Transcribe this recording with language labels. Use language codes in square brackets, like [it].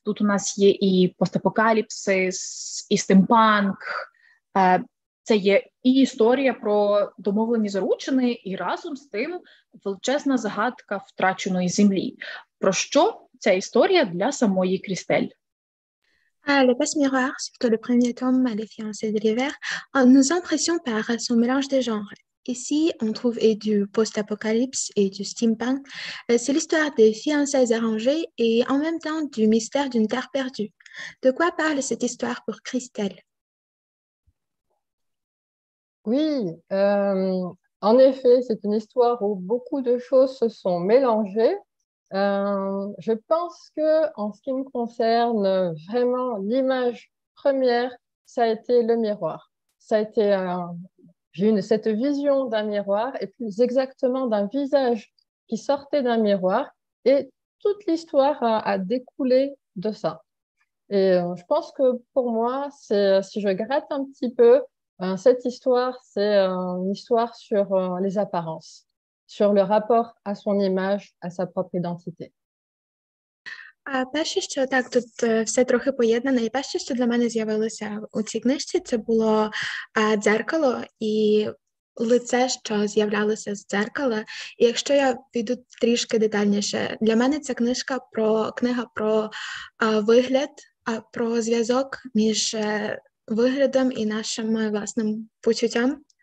[uk] Тут у нас є і постапокаліпсис, і стимпанк. Це є і історія про домовлені заручини, і разом з тим величезна загадка втраченої землі. Про що ця історія для самої Крістель? [fr] Le passe-miroir, surtout le premier tome, Les fiancés de l'hiver, nous impressionne par son mélange des genres. Ici, on trouve et du post-apocalypse et du steampunk. C'est l'histoire des fiançailles arrangées et en même temps du mystère d'une terre perdue. De quoi parle cette histoire pour Christelle? Oui, en effet, c'est une histoire où beaucoup de choses se sont mélangées. Je pense que en ce qui me concerne vraiment l'image première, ça a été le miroir. Ça a été j'ai eu cette vision d'un miroir et plus exactement d'un visage qui sortait d'un miroir et toute l'histoire a découlé de ça. Et je pense que pour moi, c'est si je gratte un petit peu, cette histoire, c'est une histoire sur les apparences. Sur le rapport à son image, à sa propre identité. [uk] Перше, що так, тут все трохи поєднане. І перше, що для мене з'явилося у цій книжці, це було дзеркало і лице, що з'являлося з дзеркала. І якщо я піду трішки детальніше, для мене ця книга про вигляд, про зв'язок між виглядом і нашим власним почуттям.